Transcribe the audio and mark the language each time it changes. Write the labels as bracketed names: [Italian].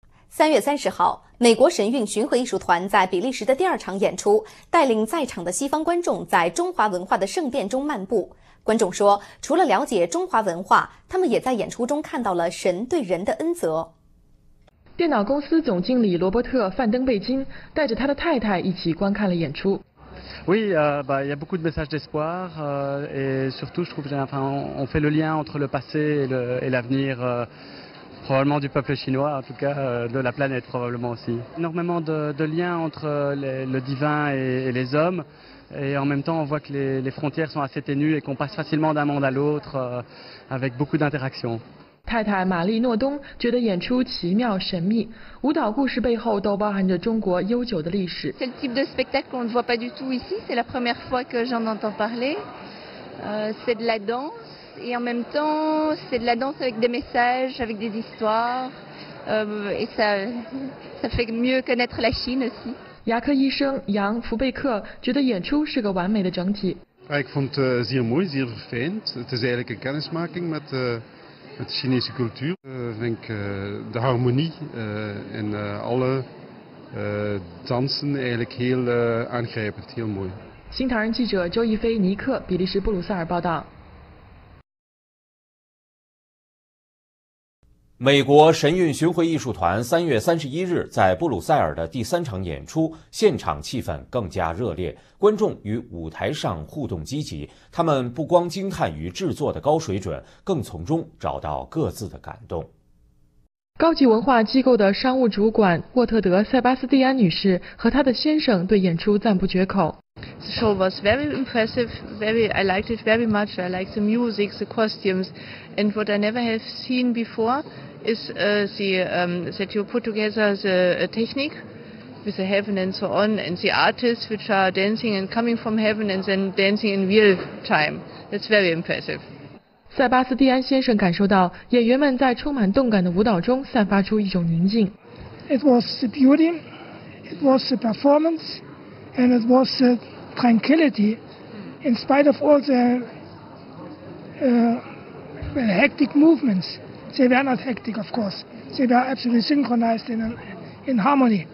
[Chinese] 3月30号，美国神韵巡回艺术团在比利时的第二场演出，带领在场的西方观众在中华文化的圣殿中漫步。观众说，除了了解中华文化，他们也在演出中看到了神对人的恩泽。电脑公司总经理罗伯特·范登贝金带着他的太太一起观看了演出。 [French] Oui, il y a beaucoup de messages d'espoir, et surtout, je trouve, on fait le lien entre le passé et l'avenir, probablement du peuple chinois, en tout cas, de la planète probablement aussi. Énormément de liens entre le divin et les hommes. Et en même temps, on voit que les frontières sont assez ténues et qu'on passe facilement d'un monde à l'autre avec beaucoup d'interactions. [Chinese] 太太玛丽诺东觉得演出奇妙神秘，舞蹈故事背后都包含着中国悠久的历史。 [French] C'est le type de spectacle qu'on ne voit pas du tout ici. C'est la première fois que j'en entends parler. C'est de la danse et en même temps, c'est de la danse avec des messages, avec des histoires. Et ça fait mieux connaître la Chine aussi. [Chinese] 牙科医生杨·福贝克觉得演出是个完美的整体。 [Dutch] Ik vond het zeer mooi, zeer verfijnd. Het is eigenlijk een kennismaking met de Chinese cultuur. Ik denk de harmonie in alle dansen eigenlijk heel aangrijpend, heel mooi. [Chinese] 新唐人记者周一飞、尼克，比利时布鲁塞尔报道。美国神韵巡回艺术团3月31日在布鲁塞尔的第三场演出，现场气氛更加热烈，观众与舞台上互动积极，他们不光惊叹于制作的高水准，更从中找到各自的感动。高级文化机构的商务主管沃特德·塞巴斯蒂安女士和她的先生对演出赞不绝口。 [English] The show was very impressive, I liked it very much. I liked the music, the costumes, and what I never have seen before is that you put together a technique with the heaven and so on, and the artists which are dancing and coming from heaven and then dancing in real time. That's very impressive. [Chinese] 塞巴斯蒂安先生感受到演员们在充满动感的舞蹈中散发出一种宁静。 [English] It was the beauty, it was the performance, and it was the tranquility in spite of all the hectic movements. They were not hectic, of course. They were absolutely synchronized in harmony.